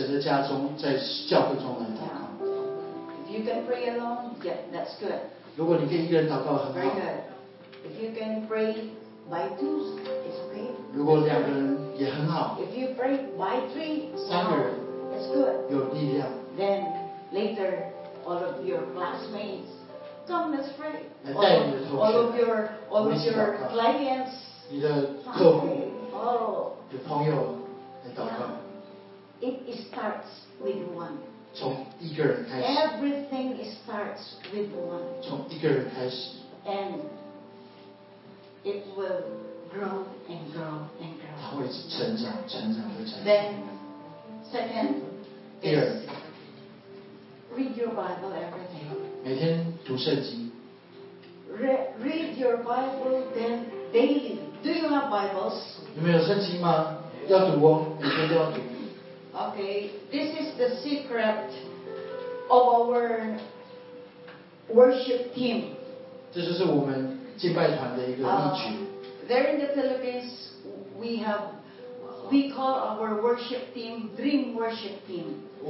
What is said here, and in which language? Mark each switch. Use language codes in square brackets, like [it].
[zh] 不但只要在家里祷告，在车上祷告，在外面祷告，也要在神的家中，在教会中来祷告。 [en] If you can pray alone, yeah, that's good. [zh] 如果你可以一个人祷告，很好。 [en] Very good. If you can pray by twos, it's okay. [zh] 如果两个人也很好。 [en] If you pray by three, [zh] 三个人， [en] it's good. [zh] 有力量。 [en] Then later, all of your classmates come, let's pray. [zh] 来带领你的同学。 [en] All of your clients. [zh] 你的客户，你的朋友来祷告。 [en] It starts with one. [zh] 从一个人开始。 [en] Everything starts with one. [zh] 从一个人开始。 [en] And it will grow and grow and grow. [zh] 它会成长，成长，成长。 [en] Then second, [zh] 第二， [en] read your Bible every day. [zh] 每天读圣经。 [en] Read your Bible then daily. Do you have Bibles? [zh] 你们有圣经吗？要读哦， 每天都要读。 [en] Okay, this is the secret of our worship team. [zh] 这就是我们敬拜团的一个秘诀。 [en] There in the Philippines, we call our worship team Dream Worship Team.